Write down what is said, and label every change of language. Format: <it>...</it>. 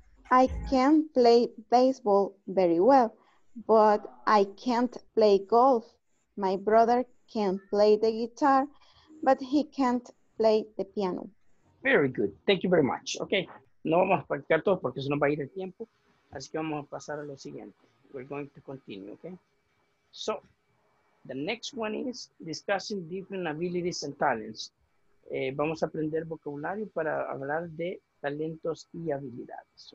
<en>I can play baseball very well, but I can't play golf. My brother can play the guitar, but he can't play the piano. Very good. Thank you very much. Okay.</en> <es>No vamos a practicar todo porque se nos va a ir el tiempo. Así que vamos a pasar a lo siguiente.</es> <en>We're going to continue, okay? So, the next one is discussing different abilities and talents.</en> <es>Vamos a aprender vocabulario para hablar de talentos y habilidades.</es>